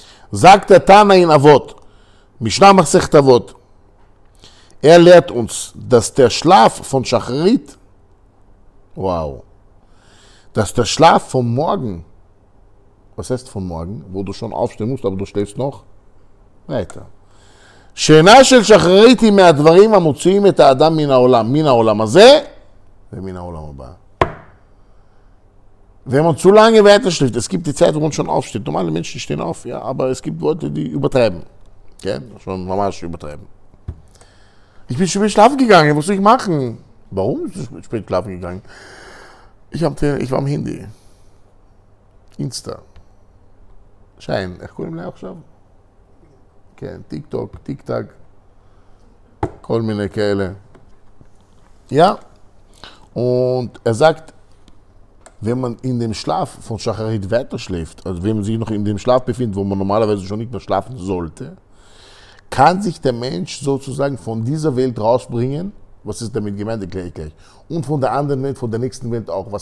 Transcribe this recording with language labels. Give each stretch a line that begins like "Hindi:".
German: Sagt der Tana in Avot, Mishnah Masechet Avot. Er lehrt uns, dass der Schlaf von Schacharit, wow, dass der Schlaf vom Morgen, was heißt von morgen, wo du schon aufstehen musst, aber du schläfst noch, weiter.
Hebrew: שינה של שחרית היא מהדברים המוציאים את האדם מן העולם, מן העולם הזה ומן העולם הבא. והם עצו לנגה ואת השליפת,
German: es gibt die Zeit, wo man schon aufsteht. Normal, die Menschen stehen auf, ja, aber es gibt Leute, die übertreiben. Kein? Schon
Hebrew: ממש
German: übertreiben. Ich bin schon schlafen gegangen, was soll ich machen? Warum ist es spät schlafen gegangen? Ich war am Handy. Insta. Schein, ich kann ihm gleich auch schlafen.
Hebrew: כן, טיק טוק, טיק טק, כל מיני כאלה. יא?
German: Und er sagt, wenn man in dem Schlaf von Schacharit weiterschläft, also wenn man sich noch in dem Schlaf befindet, wo man normalerweise schon nicht mehr schlafen sollte, kann sich der Mensch sozusagen von dieser Welt rausbringen, was ist damit gemeint, erkläre ich gleich, und von der anderen Welt, von der nächsten Welt auch.